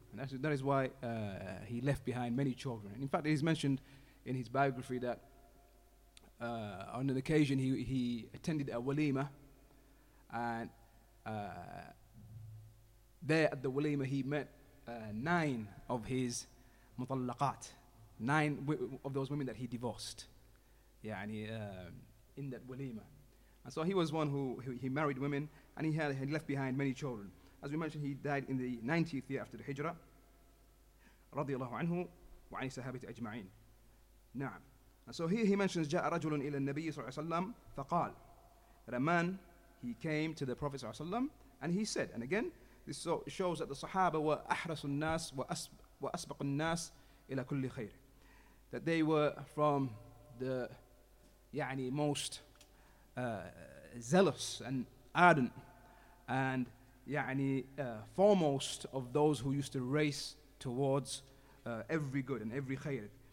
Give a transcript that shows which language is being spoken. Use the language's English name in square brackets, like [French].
[English] And that is why he left behind many children. And in fact, it is mentioned in his biography that on an occasion he attended a walima, and there at the walima he met nine of his mutallaqat, of those women that he divorced. Yeah, and in that walima, and so he was one who he married women, and he had left behind many children. As we mentioned, he died in the 90th year after the Hijrah. [Arabic] رضي الله عنه وعن الصحابة أجمعين. نعم. [English] And so here he mentions [Arabic] جاء رجل إلى النبي صلى الله عليه وسلم فقال. [English] That a man he came to the Prophet ﷺ and he said, and again, this shows that the Sahaba were [Arabic] ahrasun nas wa asbaqun nas ila kulli khair, [English] that they were from the يعني, most zealous and ardent and يعني, foremost of those who used to race towards every good and every khair.